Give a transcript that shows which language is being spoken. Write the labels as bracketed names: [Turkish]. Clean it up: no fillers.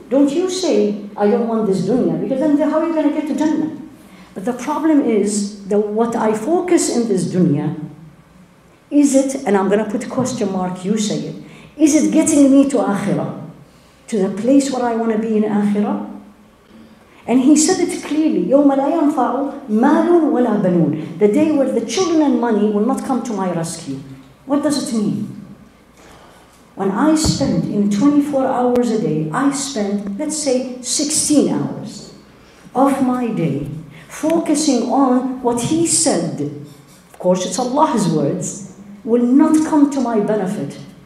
[English] Don't you say, I don't want this dunya, because then how are you going to get to Jannah? But the problem is that what I focus in this dunya, is it, and I'm going to put a question mark, you say it, is it getting me to akhirah, to the place where I want to be in akhirah? And he said it clearly, [Arabic] يَوْمَ لَا يَنْفَعُ مَالٌ وَلَا بَنُونَ. [English] The day where the children and money will not come to my rescue. What does it mean? When I spend in 24 hours a day, I spend, let's say, 16 hours of my day focusing on what he said, of course it's Allah's words, will not come to my benefit.